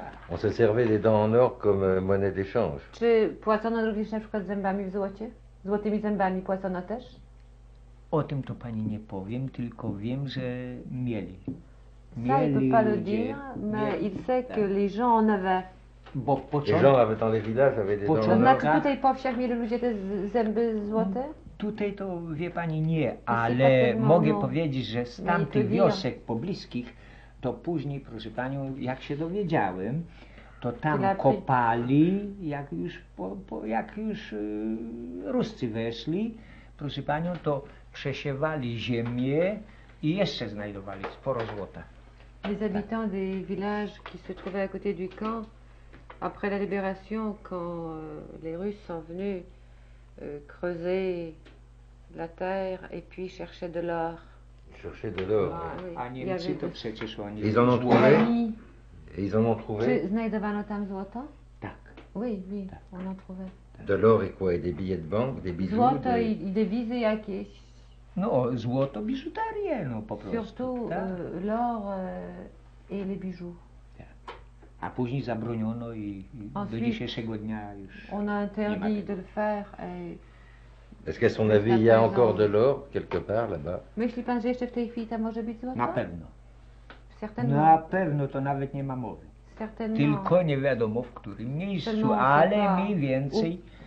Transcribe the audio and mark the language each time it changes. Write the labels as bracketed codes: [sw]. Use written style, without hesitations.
[fr] On se servait des dents en or comme monnaie d'échange. [pl] Czy płacono również na przykład zębami w złocie? Złotymi zębami płacono też? O tym to pani nie powiem, tylko wiem, że mieli. [fr] Ça, il ne peut pas le dire, mais il sait que les gens en avaient. Les gens avaient dans les villages avaient des dents en or. [pl] Na tutaj powsiach mieli ludzie te zęby złote? Tutaj to wie pani nie, ale mogę powiedzieć, że z tamtych wiosek pobliskich, to później, proszę panią, jak się dowiedziałem, to tam kopali, jak już Ruscy weszli, proszę panią, to przesiewali ziemię i jeszcze znajdowali sporo złota. [fr] Les habitants des villages qui se trouvaient à côté du camp, après la libération, quand les Russes sont venus creuser la terre et puis chercher de l'or. Chercher de l'or. Ah, oui. Ils en ont trouvé. Ils en ont trouvé. [pl] Znajdowano tam złoto? Tak. [fr] Oui, oui, on en trouvait. De l'or et quoi? Et des billets de banque, des bijoux. [pl] Złoto i devizy jakieś. No, złoto, biżuterię, no po prostu. [fr] Surtout l'or et les bijoux. [pl] A później zabroniono i do dzisiejszego dnia już. [fr] On a interdit de le faire. Est-ce qu'à son avis, il y a encore de l'or quelque part là-bas? [pl] Myśli pan, że jeszcze w tej chwili tam może być złoto? Na pewno. [fr] Certainement. [pl] Na pewno, to nawet nie ma mowy. [fr] Certainement. [pl] Tylko nie wiadomo w którym miejscu, ale mniej więcej.